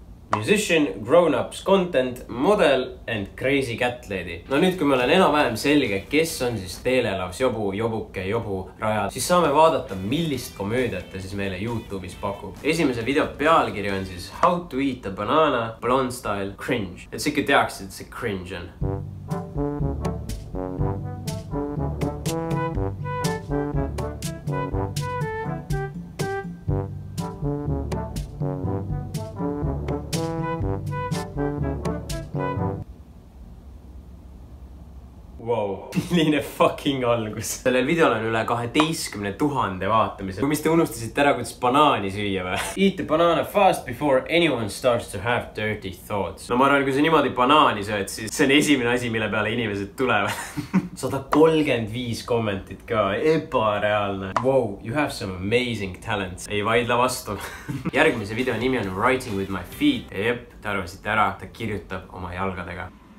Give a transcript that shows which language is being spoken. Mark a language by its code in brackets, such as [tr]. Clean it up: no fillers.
[en] Musician, grown-ups content, model and crazy cat lady. [et] No nüüd, kui me olen enam-vähem selge, kes on siis Teele loves jobu, jobuke, jobu, Raja, siis saame vaadata, millist komöödiate siis meile YouTube'is pakub. Esimese video pealkiri on siis [en] How to eat a banana, blonde style, cringe. [et] Et sikki teaks, et see cringe on. Selline [en] fucking [et] algus. Sellel videol on üle 12 000 vaatamise. Kui mis te unustasite ära, kuidas banaani süüa või? [en] Eat the banana fast before anyone starts to have dirty thoughts. [et] No ma arvan, kui sa niimoodi banaani sööd, siis see on esimene asi, mille peale inimesed tulevad. 135 kommentit ka, ebareaalne. [en] Wow, you have some amazing talents. [et] Ei vaidla vastu. Järgmise video nimi on [en] Writing with my feet. [et] Jep, te arvasite ära, ta kirjutab oma jalgadega.